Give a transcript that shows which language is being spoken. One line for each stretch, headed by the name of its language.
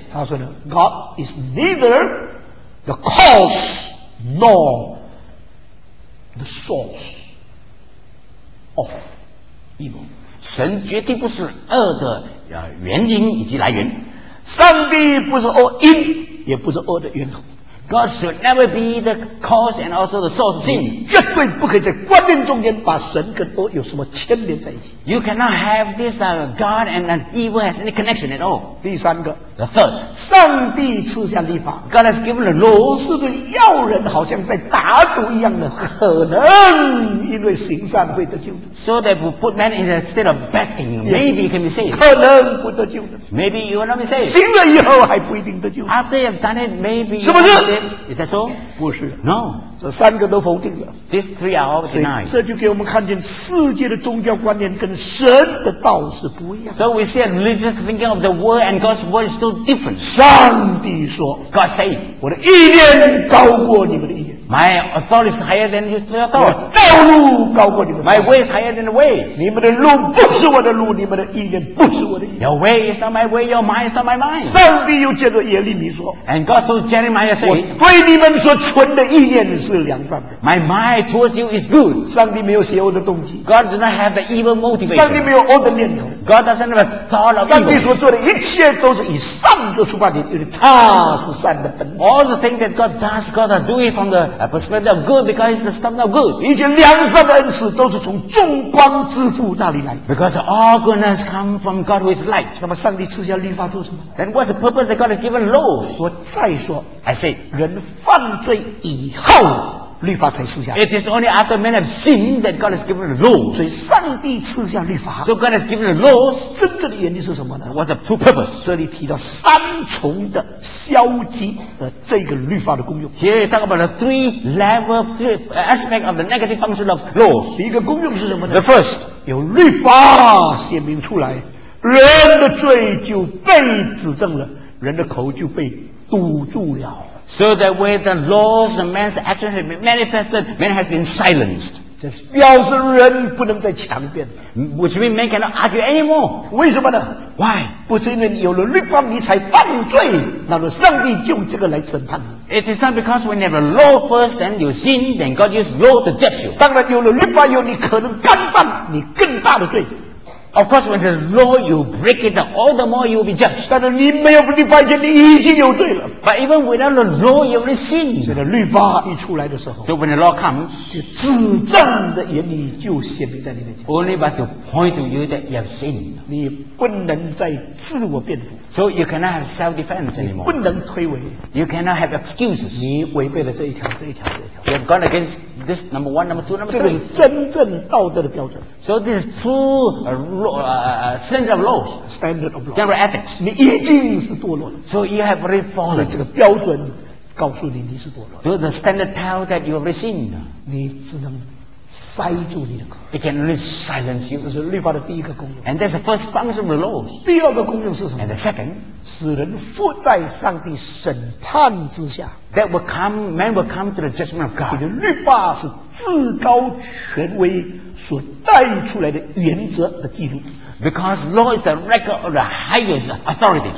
Chinese: 他说呢
English: ，God is neither the cause nor the source of evil，
Chinese: 神绝对不是恶的原因以及来源，上帝不是恶因，也不是恶的源头。
English: God should never be the cause and also the source of sin.
Chinese: 绝对不可以在观念中间把神跟恶有什么牵连在一起。
English: You cannot have this God and an evil has any connection at all.
Chinese: 第三个
English: ，The third，
Chinese: 上帝赐下律法
English: ，God has given the law，
Chinese: 是对要人好像在打赌一样的，可能因为行善会得救。
English: So that we put man in a state of betting, maybe can be saved.
Chinese: 可能不得救。
English: Maybe you will not be saved.
Chinese: 行了以后还不一定得救。
English: After you've done it, maybe.
Chinese: 是不是？
English: Is that so?
Chinese: 不是
English: No
Chinese: 这三个都否定了
English: These three are all denied
Chinese: 这就给我们看见世界的宗教观念跟神的道是不一样
English: So we see religious thinking of the world and God's word is still different
Chinese: 上帝说
English: God said
Chinese: 我的意念高过你们的意念
English: My authority is higher than your thought.
Chinese: 我道路高过你们。
English: My way is higher than the way.
Chinese: 你们的路不是我的路，你们的意念不是我的意念。
English: Your way is not my way. Your mind is not my mind.
Chinese: 上帝又借着耶利米说。
English: And God told Jeremiah, say,
Chinese: 我对你们所存的意念是良善的。
English: My mind towards you is good.
Chinese: 上帝没有邪恶的动机。
English: God does not have the evil motivation.
Chinese: 上帝没有恶的念头。
English: God doesn't have a thought of evil.
Chinese: 上帝所做的一切都是以善的出发点，因为他是善的本。
English: All the things that God does, God are doing from the A perspective of good because it's the stuff of good.
Chinese: 一切良善的恩赐都是从众光之父那里来。
English: Because all goodness comes from God with light.
Chinese: 那么上帝赐下律法做什么
English: ？Then what's the purpose that God has given law?
Chinese: 我再说
English: ，I say，
Chinese: 人犯罪以后，律法才赐下。
English: It is only after men have sinned that God has given the law.
Chinese: 所以上帝赐下律法。
English: So God has given the law.
Chinese: 真正的原因是什么呢
English: ？What's the true purpose?
Chinese: 这里提到三重的。消极的这个律法的功用
English: Here you talk about the three level three aspect of the negative function of laws
Chinese: 第一个功用是什么呢
English: The first
Chinese: 有律法显明出来人的罪就被指证了人的口就被堵住了
English: So that when the laws and man's actions have been manifested man has been silenced
Chinese: 这表示人不能再强辩
English: Which means man cannot argue anymore
Chinese: 为什么呢
English: Why?
Chinese: 不是因为有了律法你才犯罪那么上帝用这个来审判你
English: It is not because when you have a law first then you sin then God use law to judge you
Chinese: 当然有了律法以后你可能干犯你更大的罪
English: Of course when there's law you break it all the more you will be judged
Chinese: 但是你没有律法以前你已经有罪了
English: But even without the law you already sin
Chinese: 所以律法一出来的时候
English: So when the law comes
Chinese: 就指证的原理就显明在你面前
English: Only but to point to you that you have sinned
Chinese: 你不能再自我辩护
English: So you cannot have self-defense anymore
Chinese: 你不能推诿
English: You cannot have excuses
Chinese: 你违背了这一条这一条这一条
English: You have gone against this number one, number two, number three
Chinese: 这个是真正道德的标准
English: So this is true standard of laws Standard of law Standard of ethics
Chinese: 你已经是堕落了
English: So you have already fallen
Chinese: 所以这个标准告诉你你是堕落了
English: So the standard tells that you have already sinned
Chinese: 你只能塞住你的口。
English: It can only silence you.
Chinese: 这是律法的第一个功用。
English: And that's the first function of the law.
Chinese: 第二个功用是什么？
English: And the second,
Chinese: 使人伏在上帝审判之下。
English: That will come, man will come to the judgment of God.
Chinese: 你的律法是至高权威所带出来的原则的记录。
English: Because law is the record of the highest authority.